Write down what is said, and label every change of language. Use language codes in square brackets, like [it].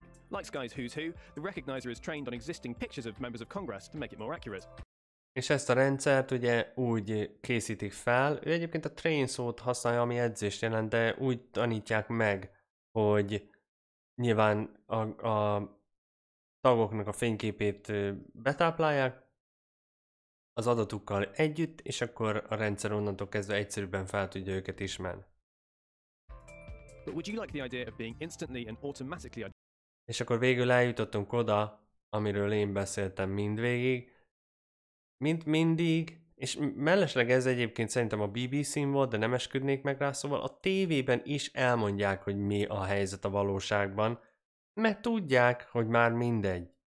[en] Like Sky's Who's Who, the recognizer is trained on existing pictures of members of Congress to make it more accurate. [hu] És ezt a rendszert ugye úgy készítik fel, ő egyébként a train szót használja, ami edzést jelent, de úgy tanítják meg, hogy nyilván a tagoknak a fényképét betáplálják az adatukkal együtt, és akkor a rendszer onnantól kezdve egyszerűbben fel tudja őket ismerni. [en] But would you like the idea of being instantly and automatically? [hu] És akkor végül eljutottunk oda, amiről én beszéltem mindvégig. Mint mindig, és mellesleg ez egyébként szerintem a BBC-n volt, de nem esküdnék meg rá, szóval a tévében is elmondják, hogy mi a helyzet a valóságban, mert tudják, hogy már mindegy.